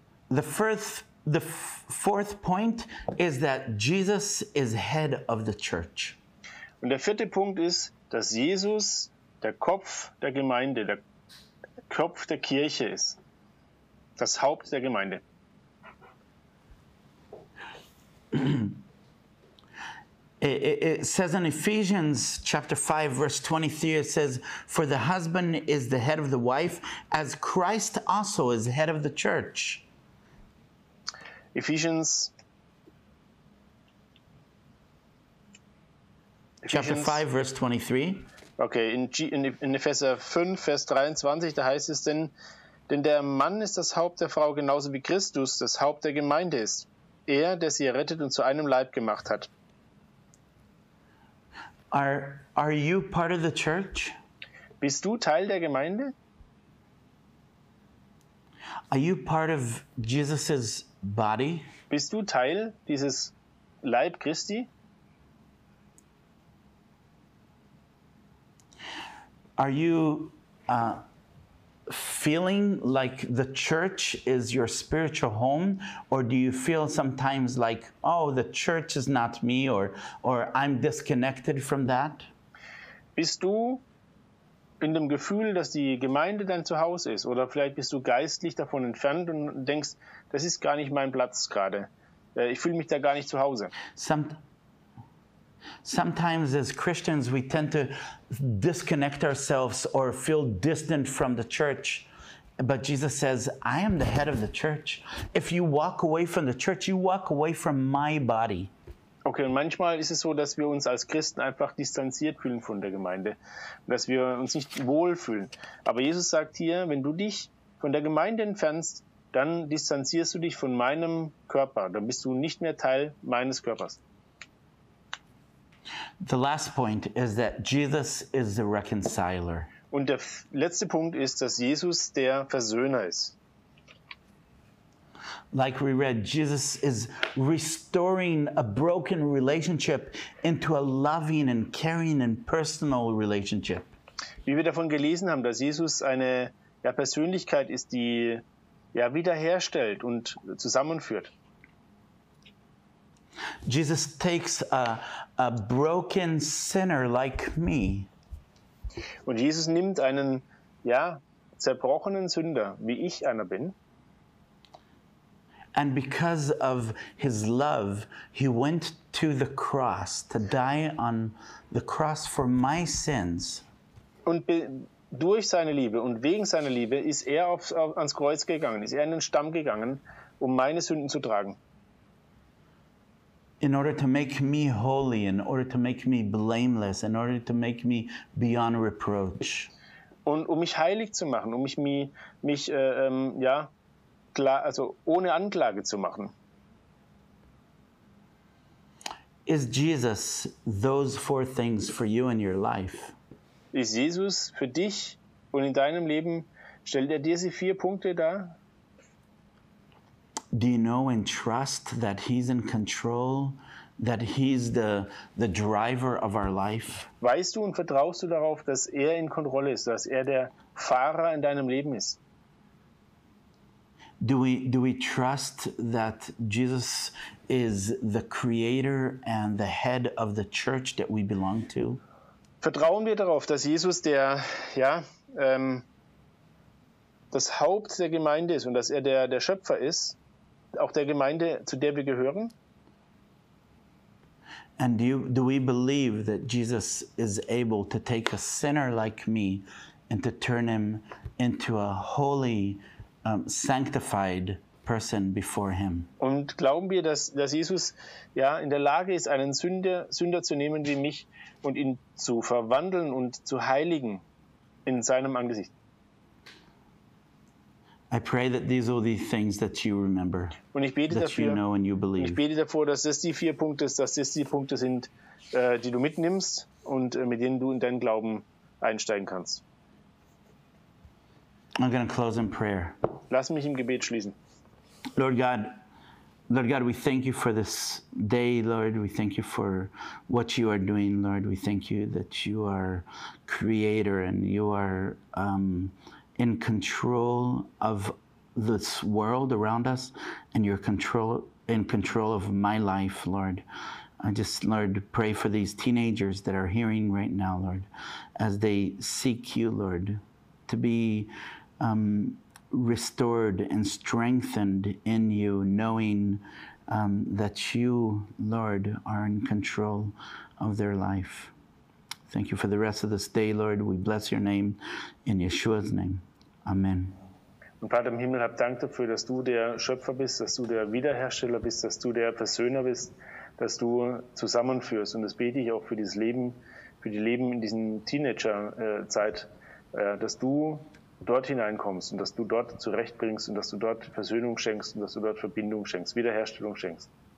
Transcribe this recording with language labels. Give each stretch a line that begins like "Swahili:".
English: The fourth point is that Jesus is head of the church.
German: Und der vierte Punkt ist, dass Jesus der Kopf der Gemeinde, der Kopf der Kirche ist. Das Haupt der Gemeinde.
English: It says in Ephesians chapter 5, verse 23, it says, for the husband is the head of the wife, as Christ also is head of the church. Ephesians chapter 5, verse 23.
German: Okay, in Epheser 5, Vers 23, da heißt es, denn der Mann ist das Haupt der Frau, genauso wie Christus das Haupt der Gemeinde ist. Er, der sie errettet und zu einem Leib gemacht hat.
English: Are you part of the church?
German: Bist du Teil der Gemeinde?
English: Are you part of Jesus' body?
German: Bist du Teil dieses Leib Christi?
English: Are you feeling like the church is your spiritual home, or do you feel sometimes like, oh, the church is not me, or I'm disconnected from that?
German: Bist du in dem Gefühl, dass die Gemeinde dein Zuhause ist, oder vielleicht bist du geistlich davon entfernt und denkst, das ist gar nicht mein Platz gerade. Ich fühle mich da gar nicht zu Hause.
English: Sometimes as Christians we tend to disconnect ourselves or feel distant from the church. But Jesus says, I am the head of the church. If you walk away from the church, you walk away from my body.
German: Okay, und manchmal ist es so, dass wir uns als Christen einfach distanziert fühlen von der Gemeinde. Dass wir uns nicht wohl fühlen. Aber Jesus sagt hier, wenn du dich von der Gemeinde entfernst, dann distanzierst du dich von meinem Körper. Dann bist du nicht mehr Teil meines Körpers.
English: The last point is that Jesus is the reconciler.
German: Und der letzte Punkt ist, dass Jesus der Versöhner ist.
English: Like we read, Jesus is restoring a broken relationship into a loving and caring and personal relationship.
German: Wie wir davon gelesen haben, dass Jesus eine Persönlichkeit ist, die wiederherstellt und zusammenführt.
English: Jesus takes a broken sinner like me.
German: Und Jesus nimmt einen zerbrochenen Sünder, wie ich einer bin.
English: And because of his love, he went to the cross to die on the cross for my sins.
German: Und durch seine Liebe und wegen seiner Liebe ist er ans Kreuz gegangen, ist er in den Stamm gegangen, um meine Sünden zu tragen.
English: In order to make me holy, in order to make me blameless, in order to make me beyond reproach.
German: Und um mich heilig zu machen, um mich ohne Anklage zu machen.
English: Is Jesus those four things for you in your life?
German: Ist Jesus für dich und in deinem Leben, stellt er diese vier Punkte dar?
English: Do you know and trust that he's in control, that he's the driver of our life?
German: Weißt du und vertraust du darauf, dass er in Kontrolle ist, dass er der Fahrer in deinem Leben ist?
English: Do we trust that Jesus is the creator and the head of the church that we belong to?
German: Vertrauen wir darauf, dass Jesus das Haupt der Gemeinde ist und dass er der Schöpfer ist, auch der Gemeinde, zu der wir gehören?
English: And do we believe that Jesus is able to take a sinner like me and to turn him into a holy, sanctified person before him?
German: Und glauben wir, dass Jesus in der Lage ist, einen Sünder zu nehmen wie mich und ihn zu verwandeln und zu heiligen in seinem Angesicht?
English: I pray that these are the things that you remember,
German: und ich bete
English: that
German: dafür,
English: you know and you believe.
German: Ich bete davor, dass das die vier Punkte sind, die du mitnimmst und mit denen du in deinen Glauben einsteigen kannst.
English: I'm going to close in prayer.
German: Lass mich im Gebet schließen.
English: Lord God, we thank you for this day, Lord. We thank you for what you are doing, Lord. We thank you that you are creator and you are in control of this world around us, and you're in control of my life, Lord. I just, Lord, pray for these teenagers that are hearing right now, Lord, as they seek you, Lord, to be restored and strengthened in you, knowing that you, Lord, are in control of their life. Thank you for the rest of this day, Lord. We bless your name in Yeshua's name. Amen.
German: Und Vater im Himmel, hab Dank dafür, dass du der Schöpfer bist, dass du der Wiederhersteller bist, dass du der Versöhner bist, dass du zusammenführst. Und das bete ich auch für dieses Leben, für die Leben in diesen Teenager-Zeit, dass du dort hineinkommst und dass du dort zurechtbringst und dass du dort Versöhnung schenkst und dass du dort Verbindung schenkst, Wiederherstellung schenkst.